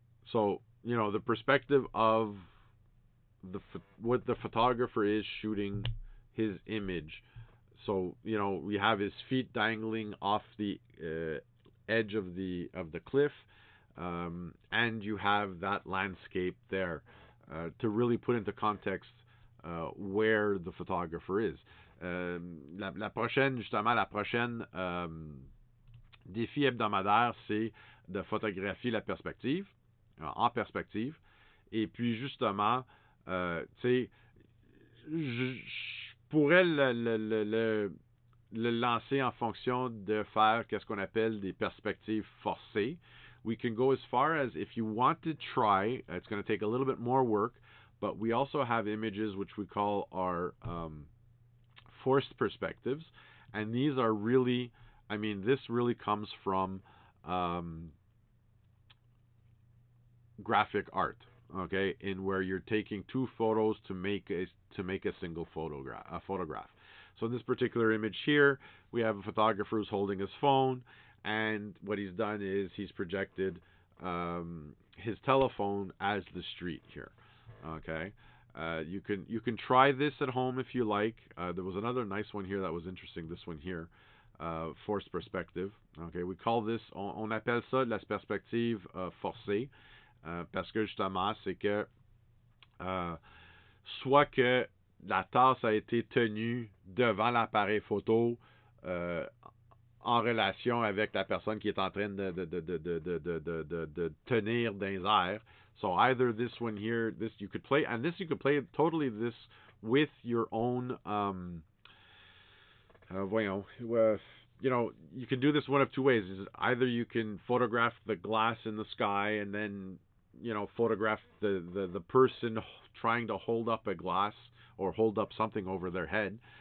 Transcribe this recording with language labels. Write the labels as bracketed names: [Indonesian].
[English] So, you know, the perspective of the what the photographer is shooting his image. So, you know, we have his feet dangling off the edge of the cliff, and you have that landscape there to really put into context where the photographer is. [French] La prochaine, justement, la prochaine défi hebdomadaire, c'est de photographier la perspective, en perspective. Et puis, justement, tu sais, je pourrais le lancer en fonction de faire qu'est-ce qu'on appelle des perspectives forcées. [English] We can go as far as if you want to try, it's going to take a little bit more work, but we also have images which we call our forced perspectives. And these are really, I mean, this really comes from graphic art, okay, in where you're taking two photos to make a single photograph. So in this particular image here, we have a photographer who's holding his phone, and what he's done is he's projected his telephone as the street here, okay? You can try this at home if you like. There was another nice one here that was interesting, this one here, forced perspective, okay? We call this, [French] on appelle ça la perspective forcée, parce que justement, c'est que soit que la tasse a été tenue devant l'appareil photo en relation avec la personne qui est en train de tenir dans les airs. [English] So either this one here, this you could play, and this you could play totally this with your own, you know, you can do this one of two ways. Either you can photograph the glass in the sky and then, you know, photograph the person trying to hold up a glass or hold up something over their head.